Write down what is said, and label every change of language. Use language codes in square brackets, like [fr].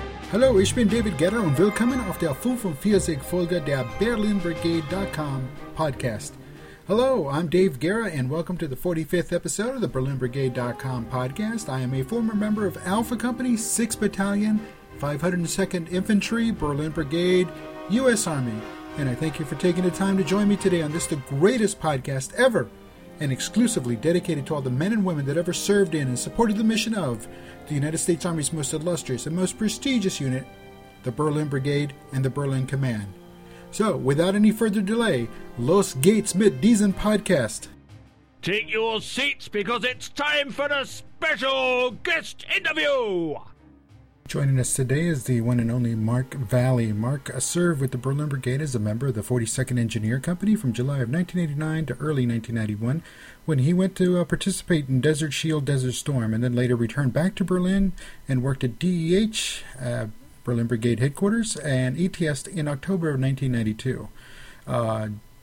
[de] Hallo, ich bin David Guerra und willkommen auf der 45. Folge der BerlinBrigade.com podcast. [en] Hello, I'm Dave Guerra, and welcome to the 45th episode of the BerlinBrigade.com podcast. I am a former member of Alpha Company, 6th Battalion, 502nd Infantry, Berlin Brigade, U.S. Army. And I thank you for taking the time to join me today on this, the greatest podcast ever, and exclusively dedicated to all the men and women that ever served in and supported the mission of the United States Army's most illustrious and most prestigious unit, the Berlin Brigade and the Berlin Command. So, without any further delay, [de] los geht's mit diesem Podcast. [en] Take your seats because it's time for the special guest interview. Joining us today is the one and only Mark Valley. Mark served with the Berlin Brigade as a member of the 42nd Engineer Company from July of 1989 to early 1991, when he went to participate in Desert Shield, Desert Storm, and then later returned back to Berlin and worked at DEH, Berlin Brigade Headquarters, and ETS in October of 1992.